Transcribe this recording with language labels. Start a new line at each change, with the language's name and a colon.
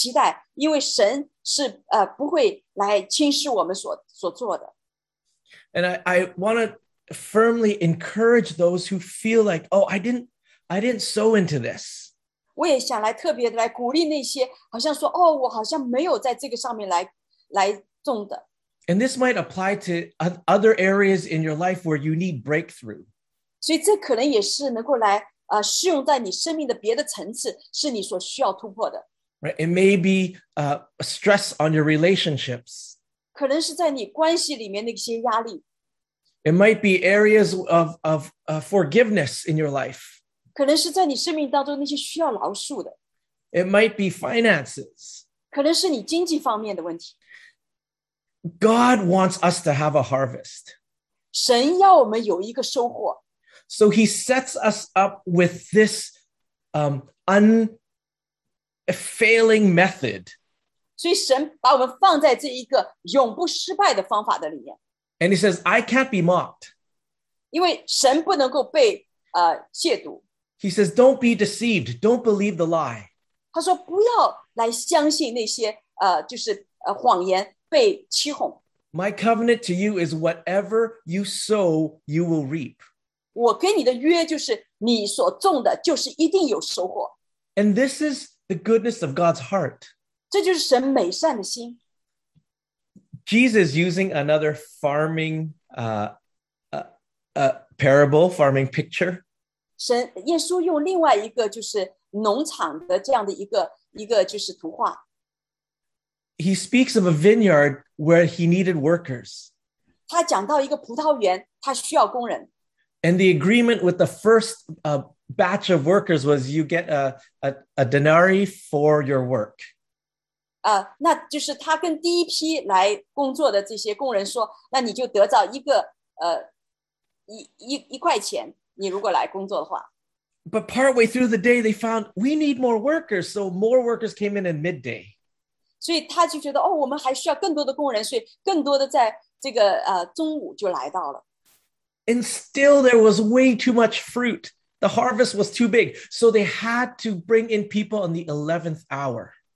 Chinese: 所以当我们其实在里面耕种的时候，我们要带着期待，因为神是 不会来轻视我们所做的。
English: And I want to firmly encourage those who feel like, oh, I didn't sow into this.
Chinese: 我也想来特别的来鼓励那些好像说，哦，我好像没有在这个上面来种的。
English: And this might apply to other areas in your life where you need breakthrough.
Chinese: 所以这可能也是能够来 适用在你生命的别的层次，是你所需要突破的。
English: Right, it may be stress on your relationships.
Chinese: 可能是在你关系里面那些压力。
English: It might be areas of forgiveness in your life.
Chinese: 可能是在你生命当中那些需要饶恕的。
English: It might be finances.
Chinese: 可能是你经济方面的问题。
English: God wants us to have a harvest.
Chinese: 神要我们有一个收获。
English: So he sets us up with this unfailing method.
Chinese: 所以神把我们放在这一个永不失败的方法的里面。
English: And he says, I can't be mocked.
Chinese: 因为神不能够被亵渎。
English: He says, don't be deceived. Don't believe the lie.
Chinese: 他说不要来相信那些谎言被欺哄。
English: My covenant to you is whatever you sow, you will reap.
Chinese: 我跟你的约就是你所种的就是一定有收获。
English: And this is the goodness of God's heart.
Chinese: 这就是神美善的心。
English: Jesus using another farming parable, farming picture.
Chinese: 神耶稣用另外一个就是农场的这样的一个就是图画。
English: He speaks of a vineyard where he needed workers.
Chinese: 他讲到一个葡萄园，他需要工人。
English: And the agreement with the first batch of workers was you get a denarii for your work.
Chinese: 那就是他跟第一批来工作的这些工人说，那你就得到一个一块钱，你如果来工作的话。
English: But partway through the day, they found we need more workers, so more workers came in at midday.
Chinese: 所以他就觉得哦，我们还需要更多的工人，所以更多的在这个中午就来到了。
English: And still there was way too much fruit. The harvest was too big. So they had to bring in people on the 11th hour.